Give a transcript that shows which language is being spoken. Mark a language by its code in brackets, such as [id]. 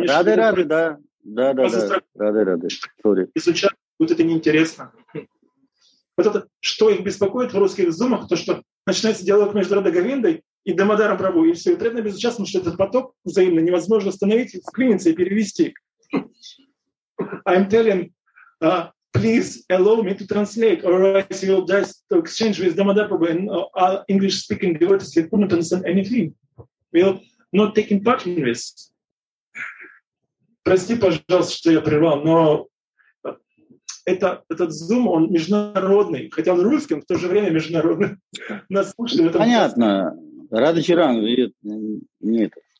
[ru] Рады, да. Рады. Безучастные, вот это неинтересно. Вот это, что их беспокоит в русских зумах, то, что начинается диалог между Радой Говиндой и Дамодаром Прабу, и все. И преданно безучастно, что этот поток взаимно невозможно остановить, вклиниться и перевести. [en] I'm telling, please allow me to translate, or else you'll just exchange with Дамодар Прабу and our English-speaking devotees who couldn't understand anything. We'll not take part in this. [ru] Прости, пожалуйста, что я прервал, но этот зум, он международный, хотя он русский, он в то же время международный. Нас слушали в этом. Понятно. Рада Чиран, нет.